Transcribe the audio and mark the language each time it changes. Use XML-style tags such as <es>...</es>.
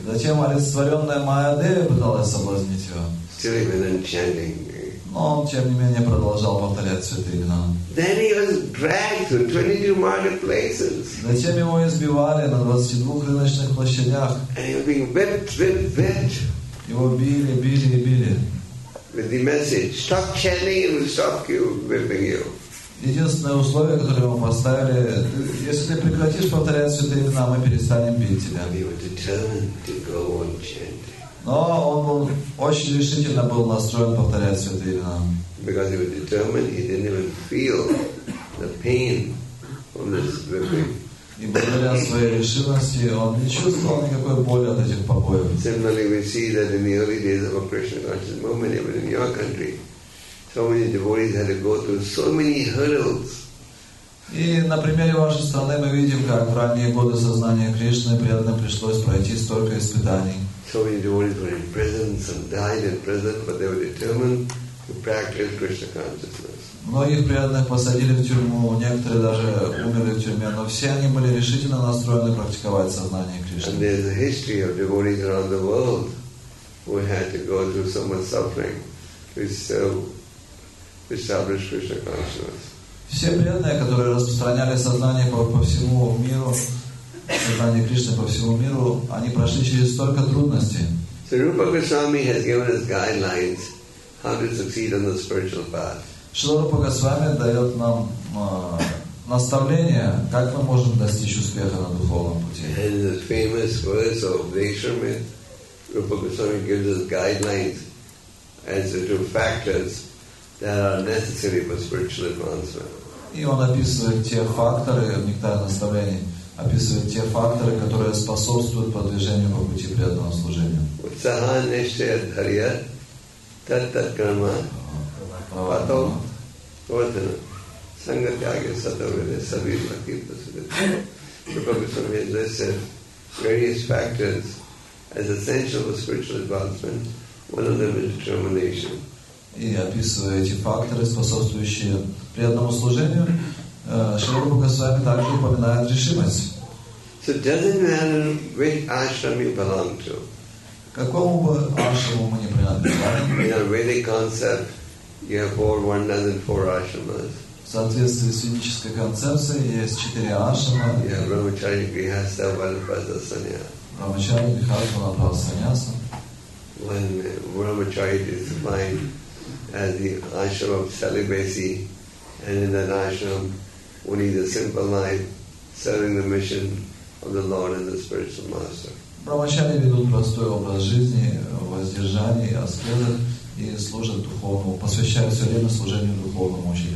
<ru>Затем олицетворенная Майя Деви пыталась соблазнить его.</ru> <en>Still even enchanting.</en> <ru>Но он, тем не менее, продолжал повторять святые имена.</ru> <en>Then he was dragged to 22 marketplaces.</en> <ru>Затем его избивали на 22 рыночных площадях.</ru> <en>And he was being whipped.</en> <ru>Его били, били и били.</ru> <en>With the message, stop chanting and we'll stop you, whipping you.</en> <ru>Единственное условие, которое ему поставили, если ты прекратишь повторять святые имена, мы перестанем бить тебя.</ru> <en>He was determined to go on chanting.</en> <ru>Но он был очень решительно был настроен повторять святые имена.</ru> <en>Because he was determined, he didn't even feel the pain from this whipping.</en> <ru>И благодаря своей решимости он не чувствовал никакой боли от этих побоев.</ru> <en>Similarly, we see that in the early days of a Krishna conscious movement, even in your country, so many devotees had to go through so many hurdles.</en> <ru>И на примере вашей страны мы видим, как в ранние годы сознания Кришны преданным пришлось пройти столько испытаний.</ru> <en>So many devotees were in prison, some died in prison, but they were determined to practice Krishna consciousness.</en> <ru>Многих преданных посадили в тюрьму, некоторые даже умерли в тюрьме, но все они были решительно настроены практиковать сознание Кришны.</ru> <en>And there's a history of devotees around the world who had to go through so much suffering to establish Krishna consciousness.</en> <ru>Все преданные, которые распространяли сознание по всему миру, сознание Кришны по всему миру, они прошли через столько трудностей.</ru> <en>So Rupa Goswami has given us guidelines how to succeed on the spiritual path.</en> <ru>Шрила Рупа Госвами дает нам наставление, как мы можем достичь успеха на духовном пути.</ru> <en>And the famous words of Vaishramit, Rupa Goswami gives us guidelines as to factors that are necessary for spiritual advancement.</en> <ru>И он описывает те факторы, нектар наставлений, описывает те факторы, которые способствуют продвижению по пути преданного служения.</ru> <sa>Утсаха ништхая дхарья таттат карма.</sa> <ru>Потом, вот она,</ru> <sa>Сангатяги Сатавиде, Сабир Макита Сабир.</sa> <ru>Прабхупада говорит,</ru> <en>various factors as essential for spiritual advancement, one of them is determination.</en> <ru>И описывая эти факторы, способствующие преданному служению, Шрила Рупа Госвами также упоминает решимость.</ru> <en>So doesn't matter which ashram you belong to.</en> <ru>Какому бы ашраму мы не принадлежали.</ru> <en>In a Vedic concept, you have four vandas and four ashramas. В соответствии с ведической концепцией есть четыре ашрама. You have Brahmachari, Grihastha, Vanaprastha, Sannyasa. Brahmachari, Grihastha, Vanaprastha, Sannyasa. When Brahmachari is defined as the ashram of celibacy, and in that ashram, one leads a simple life, serving the mission of the Lord and the spiritual master.</en> <ru>Brahmachari ведут простой образ жизни, воздержание, аскеза. И служат духовному, посвящают все время служению духовному</ru>